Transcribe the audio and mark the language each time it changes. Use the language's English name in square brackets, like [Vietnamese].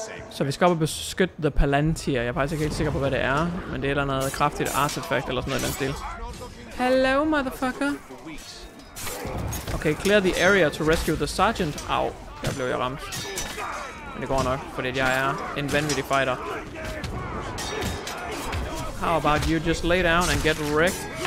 [Danish] Så vi skal op og beskytte The Palantir. Jeg er faktisk ikke helt sikker på, hvad det er. Men det er et eller andet kraftigt artefakt eller sådan noget i den stil. [English] Hello, motherfucker. Okay, clear the area to rescue the sergeant. [Danish] Au, der blev jeg ramt. Men det går nok, fordi jeg er en vanvittig fighter. [English] How about you just lay down and get wrecked?